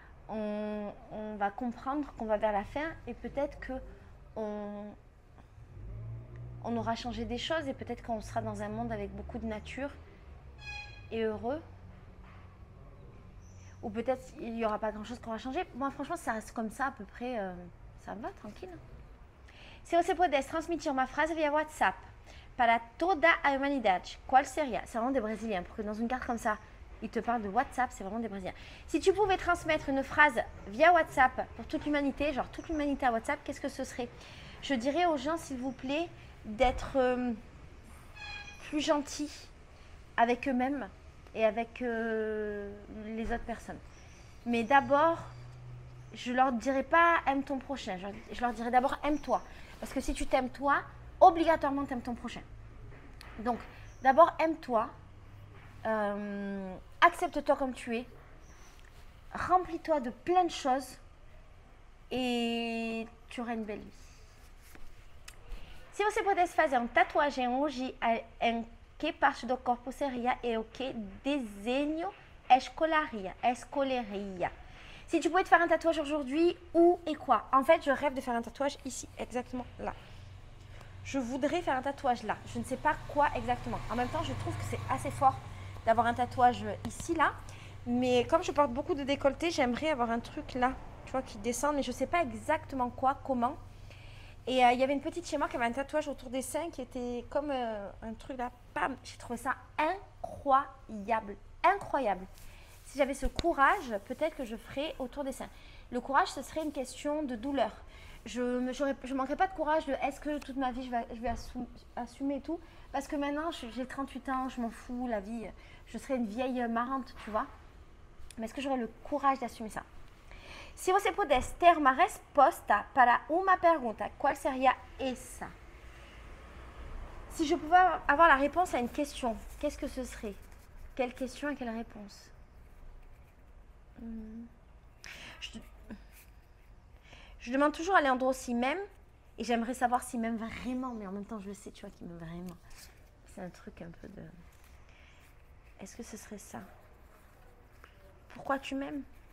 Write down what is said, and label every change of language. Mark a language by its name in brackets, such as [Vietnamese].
[French] On va comprendre qu'on va vers la fin et peut-être que on aura changé des choses et peut-être qu'on sera dans un monde avec beaucoup de nature et heureux. Ou peut-être il n'y aura pas grand-chose qu'on va changer. Moi, franchement, ça reste comme ça à peu près. Ça me va, tranquille. [Portuguese] Si você pudesse transmitir [French] ma phrase [Portuguese] via WhatsApp para toda a humanidade, qual seria? [French] C'est vraiment des Brésiliens, pour que dans une carte comme ça, il te parle de WhatsApp, c'est vraiment des Brésiliens. Si tu pouvais transmettre une phrase via WhatsApp pour toute l'humanité, genre toute l'humanité à WhatsApp, qu'est-ce que ce serait? Je dirais aux gens, s'il vous plaît, d'être plus gentils avec eux-mêmes et avec les autres personnes. Mais d'abord, je leur dirais pas « aime ton prochain », je leur dirais d'abord « aime-toi ». Parce que si tu t'aimes toi, obligatoirement t'aimes ton prochain. Donc, d'abord « aime-toi ». Accepte-toi comme tu es, remplis-toi de plein de choses et tu auras une belle vie. [Portuguese] Si você pudesse fazer tatuagem hoje, em que parte do corpo seria e o que desenho escolheria? [French] Si tu pouvais te faire un tatouage aujourd'hui, où et quoi? En fait, je rêve de faire un tatouage ici, exactement là. Je voudrais faire un tatouage là, je ne sais pas quoi exactement. En même temps, je trouve que c'est assez fort d'avoir un tatouage ici, là. Mais comme je porte beaucoup de décolleté, j'aimerais avoir un truc là, tu vois, qui descend. Mais je sais pas exactement quoi, comment. Et il y avait une petite chez moi qui avait un tatouage autour des seins qui était comme un truc là. Bam! J'ai trouvé ça incroyable. Incroyable. Si j'avais ce courage, peut-être que je ferais autour des seins. Le courage, ce serait une question de douleur. Je manquerais pas de courage de est-ce que toute ma vie, je vais assumer tout. Parce que maintenant, j'ai 38 ans, je m'en fous, la vie, je serai une vieille marrante, tu vois. Mais est-ce que j'aurai le courage d'assumer ça? [Portuguese] Si você pudesse ter uma resposta para uma pergunta, qual seria essa? [French] Si je pouvais avoir la réponse à une question, qu'est-ce que ce serait? Quelle question et quelle réponse? Je demande toujours à Leandro si même... Et j'aimerais savoir s'il m'aime vraiment, mais en même temps, je le sais, tu vois, qu'il m'aime vraiment. C'est un truc un peu de... Est-ce que ce serait ça? Pourquoi tu m'aimes?